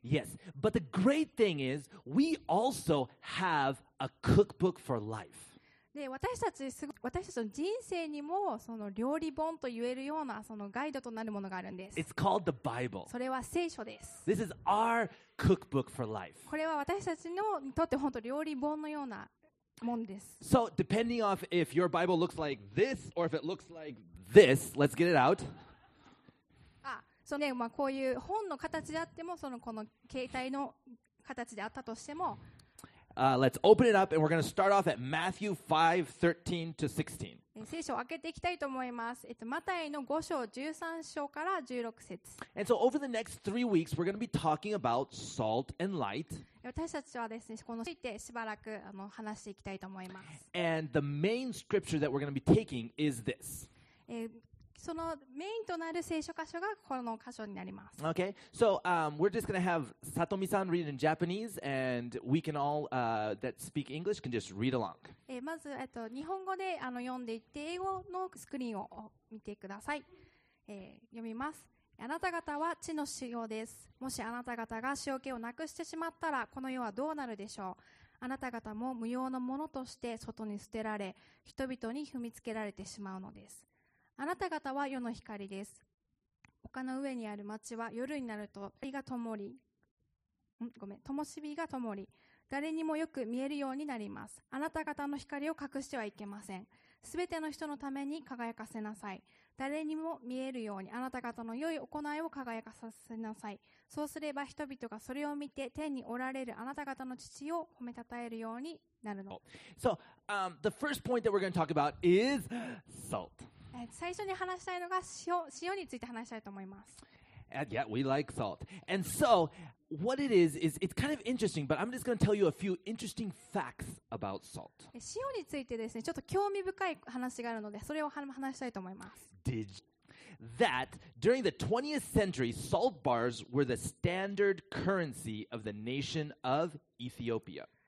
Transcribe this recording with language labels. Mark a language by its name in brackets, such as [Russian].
[English] Yes, but the great thing is, we also have a cookbook for life. [Japanese] で私たちの人生にもその料理本と言えるようなそのガイドとなるものがあるんです。 [English] It's called the Bible. [Japanese] それは聖書です。 [English] This is our cookbook for life. [Japanese] これは私たちのにとって本当料理本のようなものです。 [English] So depending on if your Bible looks like this or if it looks like this, let's get it out. [Japanese] あ、そうね、まあこういう本の形であってもそのこの携帯の形であったとしても。 [English] Let's open it up and we're going to start off at Matthew 5, 13 to 16. [Japanese] 聖書を開けていきたいと思います。マタイの5章13章から16節。 [English] And so over the next three weeks, we're going to be talking about salt and light. [Japanese] 私たちはですね、このについてしばらく話していきたいと思います。 [English] And the main scripture that we're going to be taking is this. [Japanese] そのメインとなる聖書箇所がこの箇所になります。 [English] Okay, so we're just gonna have Satomi-san read in Japanese, and we can all that speak English can just read along. [Japanese] まず日本語で読んでいって英語のスクリーンを見てください。読みます。あなた方は地の塩です。もしあなた方が塩気をなくしてしまったら、この世はどうなるでしょう。あなた方も無用のものとして外に捨てられ、人々に踏みつけられてしまうのです。あなた方は世の光です。丘の上にある町は夜になると灯が灯り、灯火が灯り、誰にもよく見えるようになります。あなた方の光を隠してはいけません。すべての人のために輝かせなさい。誰にも見えるようにあなた方の良い行いを輝かさせなさい。そうすれば人々がそれを見て天におられるあなた方の父を褒めたたえるようになるの。 [English] So, the first point that we're going to talk about is salt. [Japanese] 最初に話したいのが塩について話したいと思います。 [English] Yeah, we like salt. And so, what it is it's kind of interesting, but I'm just going to tell you a few interesting facts about salt. [Japanese] 塩についてですね、ちょっと興味深い話があるので、それを話したいと思います。 [English] That during the 20th century, salt bars were the standard currency of the nation of Ethiopia.